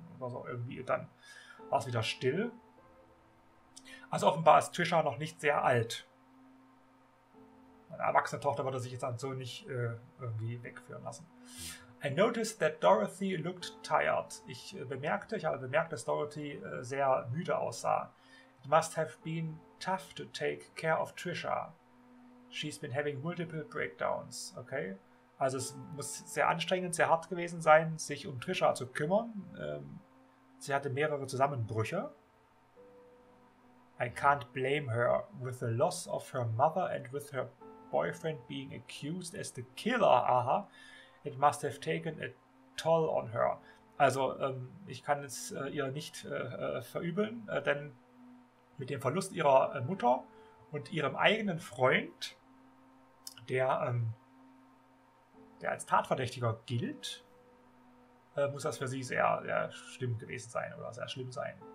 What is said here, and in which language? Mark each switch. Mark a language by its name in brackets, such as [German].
[German] Also irgendwie dann war es wieder still. Also offenbar ist Trisha noch nicht sehr alt. Eine erwachsene Tochter würde sich jetzt dann so nicht irgendwie wegführen lassen. [English] I noticed that Dorothy looked tired. [German] Ich habe bemerkt, dass Dorothy sehr müde aussah. [English] It must have been tough to take care of Trisha. She's been having multiple breakdowns. Okay. [German] Also es muss sehr anstrengend, sehr hart gewesen sein, sich um Trisha zu kümmern. Sie hatte mehrere Zusammenbrüche. [English] I can't blame her. With the loss of her mother and with her boyfriend being accused as the killer, it must have taken a toll on her. [German] Also ich kann es ihr nicht verübeln, denn mit dem Verlust ihrer Mutter und ihrem eigenen Freund, der als Tatverdächtiger gilt, muss das für sie sehr, sehr schlimm gewesen sein oder sehr schlimm sein.